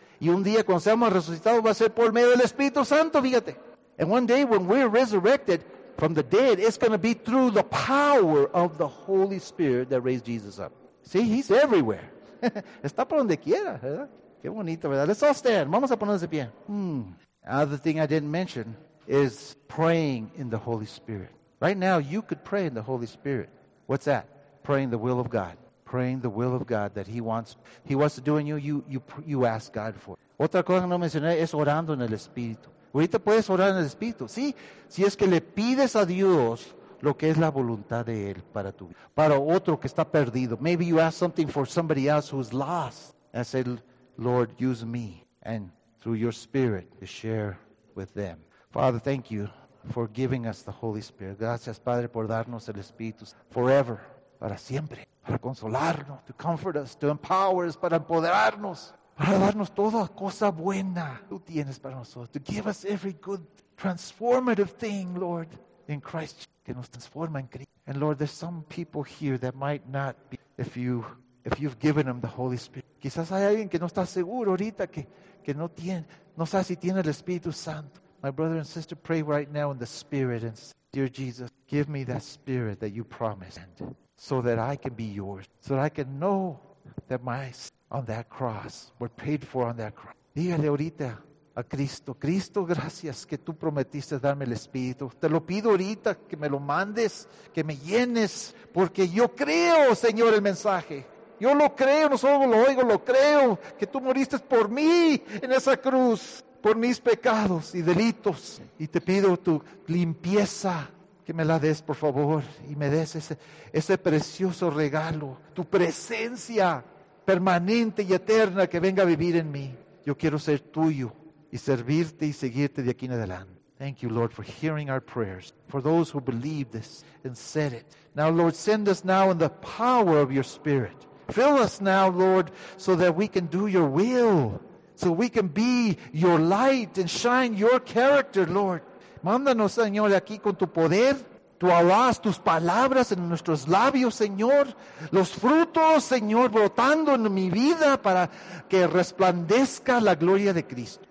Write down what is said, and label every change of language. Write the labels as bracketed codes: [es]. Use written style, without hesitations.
[es] Y un día cuando seamos resucitados va a ser por medio del Espíritu Santo, fíjate. [en] And one day when we're resurrected from the dead, it's going to be through the power of the Holy Spirit that raised Jesus up. See, He's everywhere. [es] Está por donde quiera, ¿verdad? Qué bonito, ¿verdad? [en] Let's all stand. [es] Vamos a ponernos de pie. [en] Another thing I didn't mention is praying in the Holy Spirit. Right now, you could pray in the Holy Spirit. What's that? Praying the will of God. Praying the will of God that He wants to do in you, you ask God for. [es] Otra cosa que no mencioné es orando en el Espíritu. Ahorita puedes orar en el Espíritu. Sí, si es que le pides a Dios lo que es la voluntad de Él para tu vida. Para otro que está perdido. [en] Maybe you ask something for somebody else who's lost. And say, Lord, use me and through your Spirit to share with them. Father, thank you for giving us the Holy Spirit. [es] Gracias, Padre, por darnos el Espíritu [en] forever, [es] para siempre. Para consolarnos, [en] to comfort us, to empower us, [es] para empoderarnos, para darnos toda cosa buena tú tienes para nosotros. [en] To give us every good transformative thing, Lord, in Christ, [es] que nos transforma en Cristo. [en] And Lord, there's some people here that might not be, if you've given them the Holy Spirit. [es] Quizás hay alguien que no está seguro ahorita, que no tiene, no sabe si tiene el Espíritu Santo. [en] My brother and sister, pray right now in the Spirit and say, dear Jesus, give me that Spirit that you promised, so that I can be yours, so that I can know that my sins on that cross were paid for on that cross. [es] Dígale ahorita a Cristo, Cristo, gracias que tú prometiste darme el Espíritu. Te lo pido ahorita que me lo mandes, que me llenes, porque yo creo, Señor, el mensaje. Yo lo creo, no solo lo oigo, lo creo, que tú moriste por mí en esa cruz, por mis pecados y delitos. Y te pido tu limpieza. Que me la des, por favor, y me des ese precioso regalo, tu presencia permanente y eterna que venga a vivir en mí. Yo quiero ser tuyo y servirte y seguirte de aquí en adelante. [en] Thank you, Lord, for hearing our prayers, for those who believe this and said it. Now, Lord, send us now in the power of your Spirit. Fill us now, Lord, so that we can do your will, so we can be your light and shine your character, Lord. [es] Mándanos, Señor, de aquí con tu poder, tu alas, tus palabras en nuestros labios, Señor. Los frutos, Señor, brotando en mi vida para que resplandezca la gloria de Cristo.